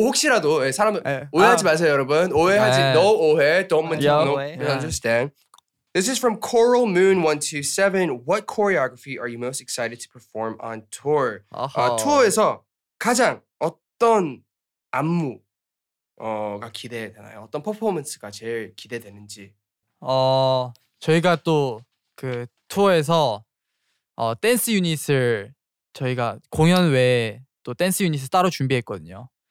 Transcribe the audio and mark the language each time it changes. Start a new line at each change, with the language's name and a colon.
Korean: 혹시라도 네, 사람 yeah. 오해하지 마세요 여러분 오해하지 yeah. no 오해
English: don't mind yeah. no misunderstand. This is from Coral Moon 127. What choreography are you most excited to perform on tour?
Korean: 투어에서 가장 어떤 안무 가 기대되나요? 어떤 퍼포먼스가 제일 기대되는지? 저희가 또 그 투어에서 댄스 유닛을 저희가 공연 외에 또 댄스 유닛을 따로 준비했거든요.